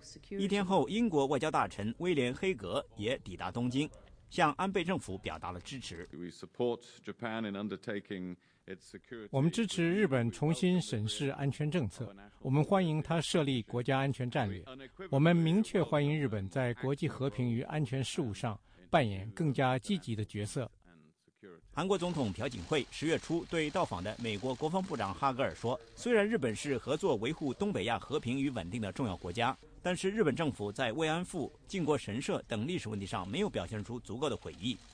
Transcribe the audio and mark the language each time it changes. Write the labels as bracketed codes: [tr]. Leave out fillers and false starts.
[zh] 一天后，英国外交大臣威廉·黑格也抵达东京，向安倍政府表达了支持。 [en] We support Japan in undertaking. [zh] 我们支持日本重新审视安全政策，我们欢迎他设立国家安全战略，我们明确欢迎日本在国际和平与安全事务上扮演更加积极的角色。韩国总统朴槿惠10月初对到访的美国国防部长哈格尔说，虽然日本是合作维护东北亚和平与稳定的重要国家，但是日本政府在慰安妇、靖国神社等历史问题上没有表现出足够的悔意。